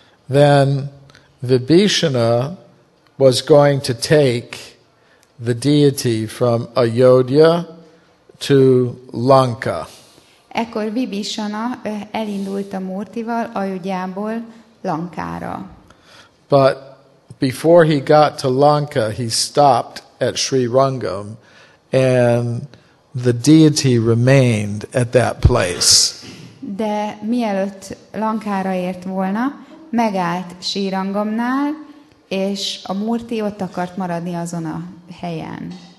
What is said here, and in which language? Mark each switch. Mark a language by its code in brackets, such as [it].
[en] Then Vibhishana was going to take the deity from Ayodhya to Lanka. [hu] Ekkor Vibhishana elindult a múrtival Ayodhyából Lankára. [en] But before he got to Lanka, he stopped at Sri Rangam, and the deity remained at that place. [hu] De mielőtt Lankára ért volna, megállt Sri Rangamnál, és a murti ott akart maradni azon a helyen.